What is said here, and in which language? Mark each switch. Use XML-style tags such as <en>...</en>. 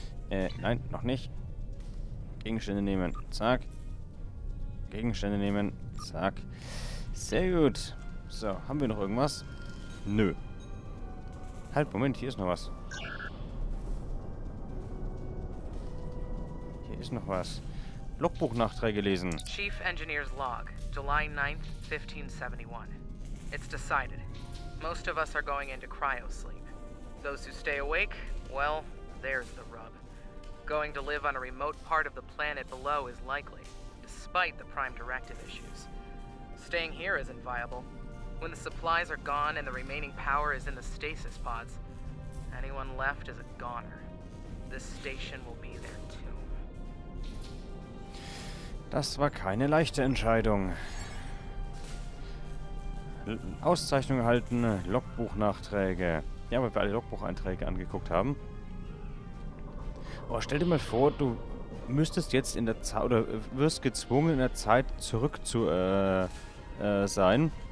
<de>Nein, noch nicht. Gegenstände nehmen. Zack. Gegenstände nehmen. Zack. Sehr gut. So, haben wir noch irgendwas? Nö. Halt, Moment, hier ist noch was. Hier ist noch was. Logbuchnachträge lesen.</de> <en>Chief Engineer's Log, July 9th, 1571. It's decided. Most of us are going into cryosleep. Those who stay awake, well, there's the rub. Going to live on a remote part of the planet below is likely, despite the Prime Directive issues. Staying here isn't viable. When the supplies are gone and the remaining power is in the stasis pods, anyone left is a goner. This station will be their tomb.</en> <de>Das war keine leichte Entscheidung. Auszeichnung erhalten, Logbuchnachträge. Ja, weil wir alle Logbucheinträge angeguckt haben. Oh, stell dir mal vor, du müsstest jetzt in der Zeit, oder wirst gezwungen, in der Zeit zurück zu sein.</de>